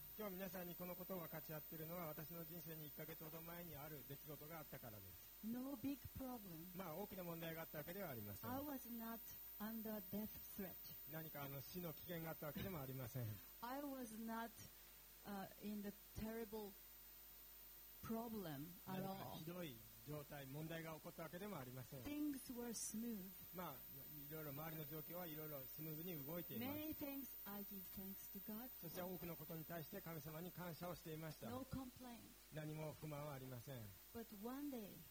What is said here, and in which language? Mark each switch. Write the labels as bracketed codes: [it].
[ja] 今日皆さんにこのことを分かち合っているのは私の人生に1ヶ月ほど前にある出来事があったからです。 [en] No big problem. [ja] まあ大きな問題があったわけではありません。 [en] I was not under death threat. [ja] 何かあの死の危険があったわけでもありません。 [en] I was not in the terrible problem at all. [ja] ひどい状態、問題が起こったわけでもありません。 [en] Things were smooth. [ja] まあいろいろ周りの状況はいろいろスムーズに動いています。 [en] Many things I give thanks to God for. [ja] そして多くのことに対して神様に感謝をしていました。 [en] No complaint. [ja] 何も不満はありません。 [en] But one day,